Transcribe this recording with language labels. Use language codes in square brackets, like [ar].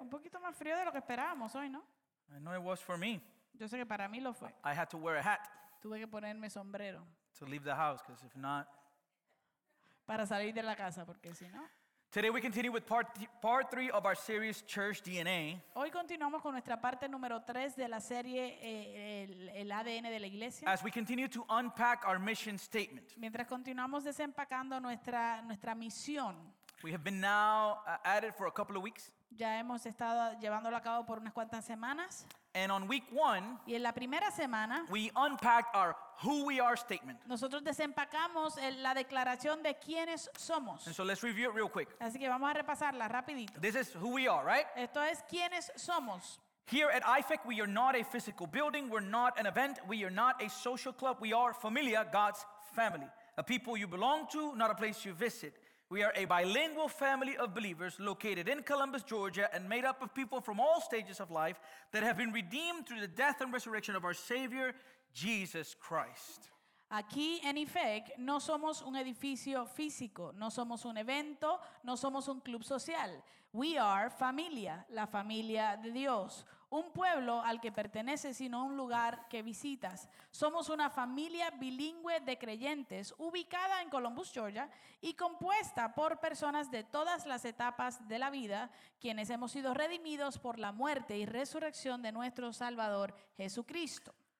[es] Un poquito más frío de lo que esperábamos hoy, ¿no? [en] I know it was for me. [es] Yo sé que para mí lo fue. [en] I had to wear a hat. [es] Tuve que ponerme sombrero. [en] To leave the house, because if not, [es] para salir de la casa, porque si no. [en] Today we continue with part three of our series Church DNA. [es] Hoy continuamos con nuestra parte número 3 de la serie el ADN de la iglesia. [en] As we continue to unpack our mission statement. [es] Mientras continuamos desempacando nuestra misión. [en] We have been now at it for a couple of weeks. [es] Ya hemos estado llevándolo a cabo por unas cuantas semanas. [en] And on week one, [es] y en la primera semana, [en] we unpacked our who we are statement. [es] Nosotros desempacamos la declaración de quiénes somos. [en] And so let's review it real quick. [es] Así que vamos a repasarla rapidito. [en] This is who we are, right? [es] Esto es quiénes somos. [en] Here at IFEC, we are not a physical building. We're not an event. We are not a social club. We are familia, God's family. A people you belong to, not a place you visit. We are a bilingual family of believers located in Columbus, Georgia, and made up of people from all stages of life that have been redeemed through the death and resurrection of our Savior, Jesus Christ. [es] Aquí en IFEC no somos un edificio físico, no somos un evento, no somos un club social. We are familia, la familia de Dios, un pueblo al que perteneces y no un lugar que visitas. Somos una familia bilingüe de creyentes ubicada en Columbus, Georgia y compuesta por personas de todas las etapas de la vida, quienes hemos sido redimidos por la muerte y resurrección de nuestro Salvador Jesucristo.